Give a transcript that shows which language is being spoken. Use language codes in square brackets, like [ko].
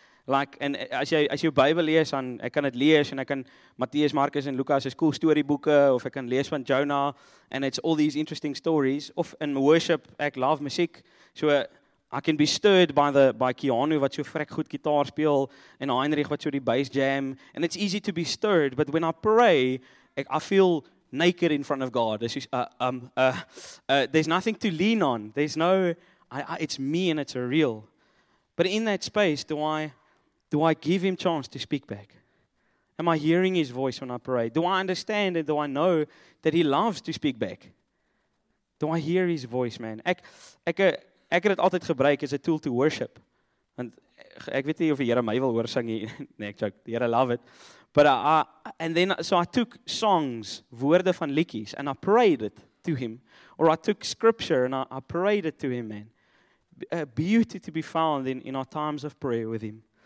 [af] Like, en as jy Bybel lees, dan ek kan dit lees, en ek kan Matteus, Markus en Lukas is cool storieboeke, of ek kan lees van Jonah, [en] and it's all these interesting stories, [af] of in worship, ek love musiek, [en] so I can be stirred by Keanu, [af] wat so frek goed gitaar speel, en Heinrich, wat so die bass jam, [en] and it's easy to be stirred, but when I pray, I feel naked in front of God, there's nothing to lean on, there's no, it's me and it's a real. But in that space, do I give him chance to speak back? Am I hearing his voice when I pray? Do I understand and do I know that he loves to speak back? Do I hear his voice, man? [af] Ek het altyd gebruik as 'n tool [en] to worship. [af] Want ek weet nie of die Here my wil hoor sing nie. Nee, ek joke. Die Here love it. [en] But I took songs, [af] woorde van liedjies, [en] and I prayed it to him. Or I took scripture and I prayed it to him, man. A beauty to be found in our times of prayer with him.